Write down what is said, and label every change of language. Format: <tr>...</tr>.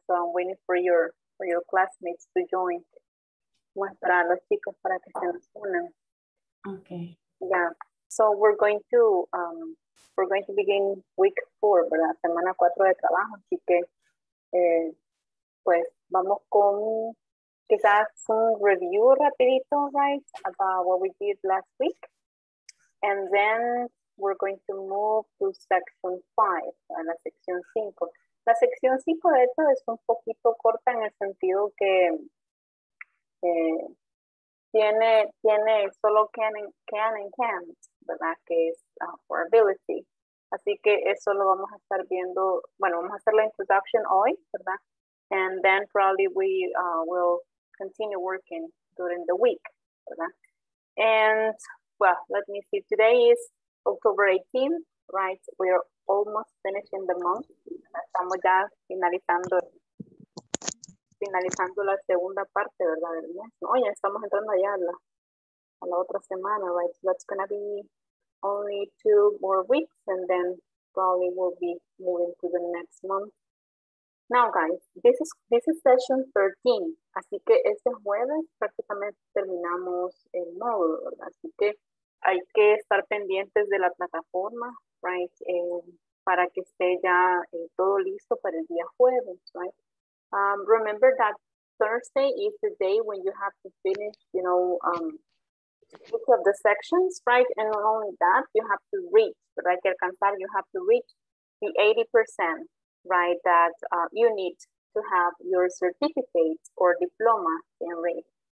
<en>So I'm waiting for your classmates to join.</en> <es>Muestra a los chicos para que se nos unan.</es> <en>Okay. Yeah. So we're going to begin week 4,</en> <es>¿verdad? Semana 4 de trabajo. Así que pues vamos con quizás un review rapidito,</es> <en>right, about what we did last week. And then we're going to move to section 5,</en> <es>a la sección 5. La sección 5, de hecho, es un poquito corta en el sentido que tiene solo can and can, ¿verdad? Que es</es> <en>for ability.</en> <es>Así que eso lo vamos a estar viendo. Bueno, vamos a hacer la introduction hoy, ¿verdad?</es> <en>And then probably we will continue working during the week,</en> <es>¿verdad?</es> <en>And, well, let me see. Today is October 18th, right? We are almost finishing the month.</en> <es>Estamos ya finalizando la segunda parte, ¿verdad? No, ya estamos entrando ya a la otra semana,</es> <en>right? So that's going to be only 2 more weeks, and then probably we'll be moving to the next month. Now, guys, this is session 13.</en> <es>Así que este jueves prácticamente terminamos el módulo, ¿verdad? Así que hay que estar pendientes de la plataforma,</es> <en>right?</en> <es>Para que esté ya todo listo para el día jueves,</es> <en>right? Remember that Thursday is the day when you have to finish, you know, each of the sections, right? And not only that, you have to reach,</en> <es>¿verdad? Que alcanzar,</es> <en>you have to reach the 80%, right? That you need to have your certificate or diploma in reach.</en>